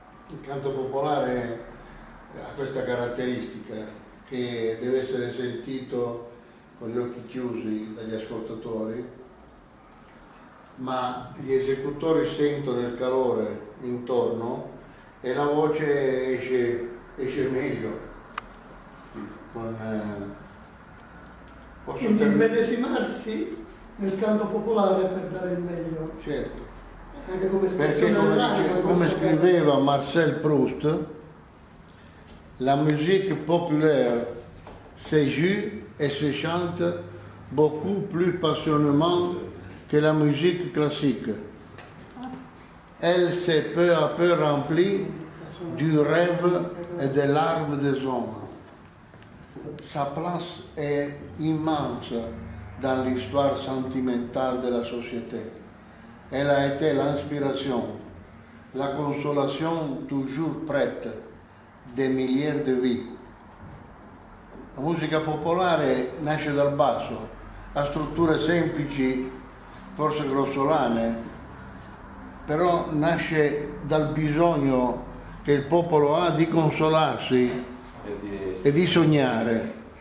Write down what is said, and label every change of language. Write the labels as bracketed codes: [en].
[it] Il canto popolare ha questa caratteristica, che deve essere sentito con gli occhi chiusi dagli ascoltatori, ma gli esecutori sentono il calore intorno e la voce esce meglio. Quindi immedesimarsi nel canto popolare per dare il meglio. Certo. Anche come espressione come scriveva [fr] Marcel Proust, la musique populaire se joue et se chante beaucoup plus passionnément que la musique classique. Elle s'est peu à peu remplie du rêve et des larmes des hommes. Sa place est immense dans l'histoire sentimentale de la société. Elle a été l'inspiration, la consolation toujours prête des milliers de vie. [it] La musica popolare nasce dal basso, ha strutture semplici, forse grossolane, però nasce dal bisogno che il popolo ha di consolarsi e di sognare.